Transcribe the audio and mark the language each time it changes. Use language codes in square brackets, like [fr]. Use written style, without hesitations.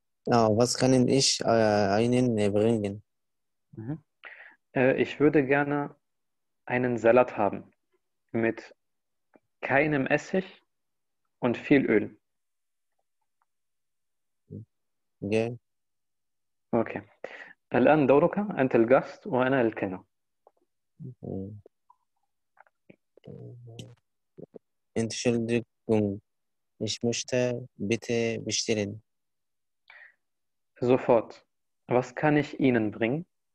[de] Was können ich einen bringen? Ich würde gerne einen Salat haben mit keinem Essig und viel Öl. Gehen. Okay. [ar] الآن دورك أنت الغاست وأنا الكنو. [de] Entschuldigung, ich möchte bitte bestellen. Sofort. Was kann ich Ihnen bringen?